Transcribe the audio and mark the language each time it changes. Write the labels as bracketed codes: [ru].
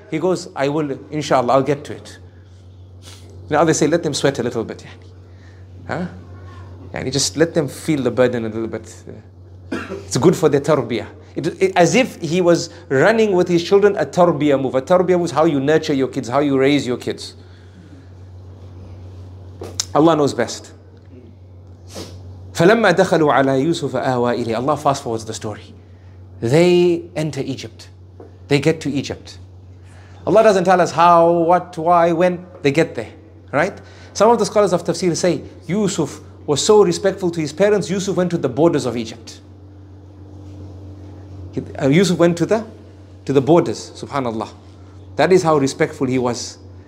[en] He goes, I will, inshallah, I'll get to it. Now they say, let them sweat a little bit. Yani. Yani, just let them feel the burden a little bit. It's good for the tarbiyah. As if he was running with his children a tarbiyah move. A tarbiyah move is how you nurture your kids, how you raise your kids. Allah knows best. [ar] فَلَمَّا دَخَلُوا عَلَى يُوسُفَ أَهْوَى إِلَيْهِ [en] Allah fast forwards the story. They enter Egypt. They get to Egypt. Allah doesn't tell us how, what, why, when. They get there, right? Some of the scholars of Tafsir say, Yusuf was so respectful to his parents, Yusuf went to the borders of Egypt. Yusuf went to the borders, subhanAllah. That is how respectful he was.